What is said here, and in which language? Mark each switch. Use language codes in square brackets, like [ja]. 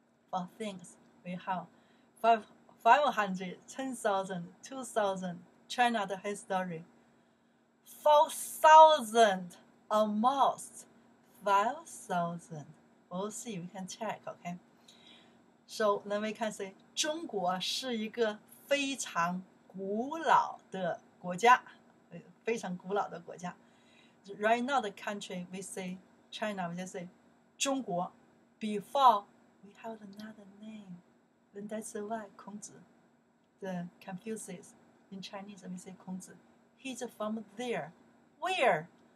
[en] For things, we have 500, 10,000, 2,000, China the history. 4,000, almost 5,000. We'll see, we can check, okay. So then we can say, [zh] 中国是一个非常古老的国家。非常古老的国家 [en] Right now the country we say China We just say 中国 Before we have another name Then that's why 孔子 The Confucius In Chinese we say 孔子 He's from there Where?